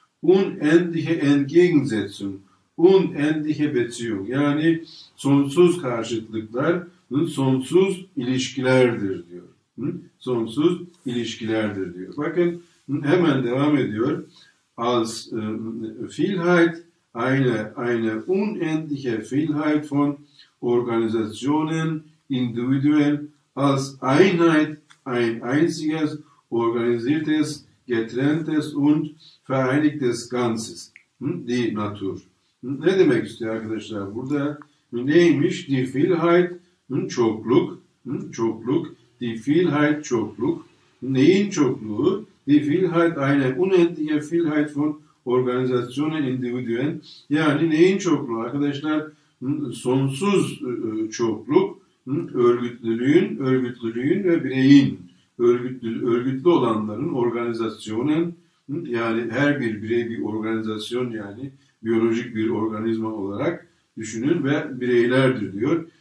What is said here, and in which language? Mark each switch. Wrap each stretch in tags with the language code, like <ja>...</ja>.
<de>Unendliche Entgegensetzung. Unendliche Beziehung.</de> <tr>Yani sonsuz karşıtlıklar sonsuz ilişkilerdir diyor. Sonsuz ilişkilerdir diyor. Bakın hemen devam ediyor.</tr> <de>Als Vielheit eine unendliche Vielheit von Organisationen, Individuen, als Einheit ein einziges, organisiertes, getrenntes und vereinigtes Ganzes. Die Natur.</de> <tr>Ne demek istiyor arkadaşlar burada? Neymiş? Die Vielheit, çokluk. Çokluk. Die Vielheit, çokluk. Neyin çokluğu?</tr> <de>Die Vielheit, eine unendliche Vielheit von Organisationen, Individuen.</de> <tr>Yani neyin çokluğu arkadaşlar? Sonsuz çokluk, örgütlülüğün ve bireyin, örgütlü olanların organizasyonun, yani her bir birey bir organizasyon, yani biyolojik bir organizma olarak düşünün ve bireylerdir diyor.</tr>